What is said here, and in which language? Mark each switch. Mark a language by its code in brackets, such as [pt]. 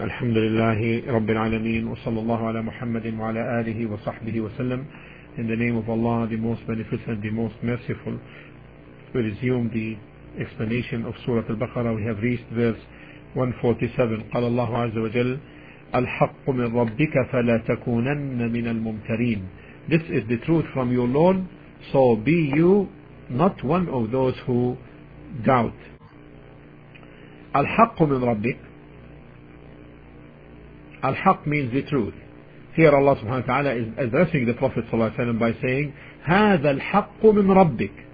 [ar] الحمد لله رب العالمين، وصلى الله على محمد وعلى آله وصحبه وسلم. [en] In the name of Allah, the most beneficent, the most merciful. We resume the explanation of Surah Al-Baqarah. We have reached verse 147. [ar] قال الله عز وجل الحق من ربك فلا تكونن من الممترين. [en] This is the truth from your Lord, so be you not one of those who doubt. [ar] الحق من ربك. [en] الحق means the truth. Here Allah subhanahu wa ta'ala is addressing the Prophet sallallahu alayhi wa sallam by saying [ar] هذا الحق من ربك.